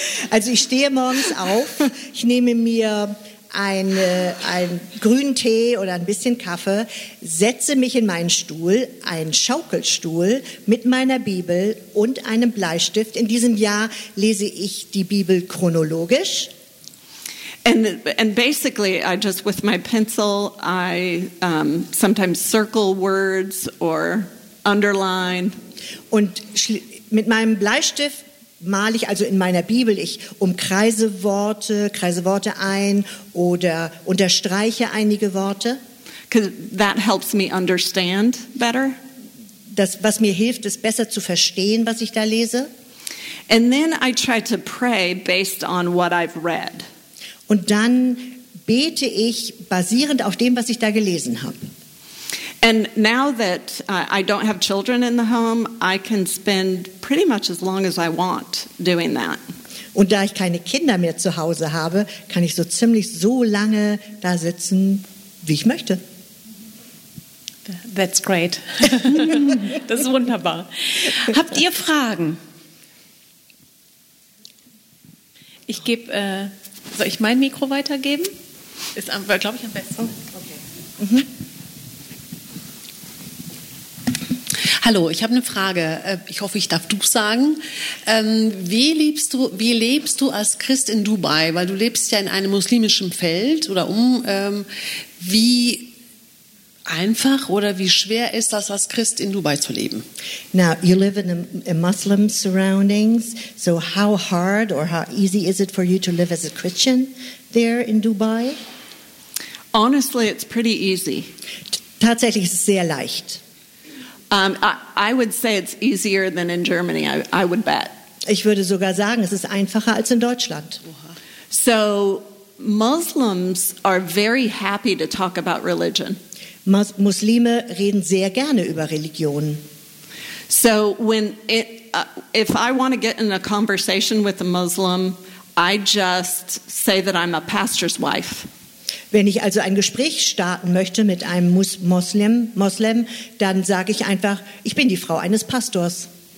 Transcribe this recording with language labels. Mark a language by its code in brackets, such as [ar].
[de] Also ich stehe morgens auf, ich nehme mir einen grünen Tee oder ein bisschen Kaffee, setze mich in meinen Stuhl, einen Schaukelstuhl mit meiner Bibel und einem Bleistift. In diesem Jahr lese ich die Bibel chronologisch. [en] And basically, I just with my pencil, I sometimes circle words or underline. [de] Und mit meinem Bleistift male ich also in meiner Bibel, ich umkreise Worte, kreise Worte ein oder unterstreiche einige Worte. [en] Because that helps me understand better. [de] Das, was mir hilft, ist besser zu verstehen, was ich da lese. [en] And then I try to pray based on what I've read. [de] Und dann bete ich basierend auf dem, was ich da gelesen habe. [en] And now that I don't have children in the home, I can spend pretty much as long as I want doing that. [de] Und da ich keine Kinder mehr zu Hause habe, kann ich so ziemlich so lange da sitzen, wie ich möchte. [en] That's great. [de] Das ist wunderbar. Habt ihr Fragen? Ich gebe, soll ich mein Mikro weitergeben? Ist, glaube ich, am besten. Okay. Mhm. Hallo, ich habe eine Frage. Ich hoffe, ich darf du sagen. Wie lebst du als Christ in Dubai? Weil du lebst ja in einem muslimischen Feld oder um. Wie einfach oder wie schwer ist das, als Christ in Dubai zu leben? [en] Now, you live in a Muslim surroundings. So how hard or how easy is it for you to live as a Christian there in Dubai? Honestly, it's pretty easy. [de] Tatsächlich ist es sehr leicht. [en] I would say it's easier than in Germany. I would bet. [de] Ich würde sogar sagen, es ist einfacher als in Deutschland. [en] So Muslims are very happy to talk about religion. [de] Muslime reden sehr gerne über Religion. [en] So when if I want to get in a conversation with a Muslim, I just say that I'm a pastor's wife. [de] Wenn ich also ein Gespräch starten möchte mit einem Moslem, dann sage ich einfach, ich bin die Frau eines Pastors.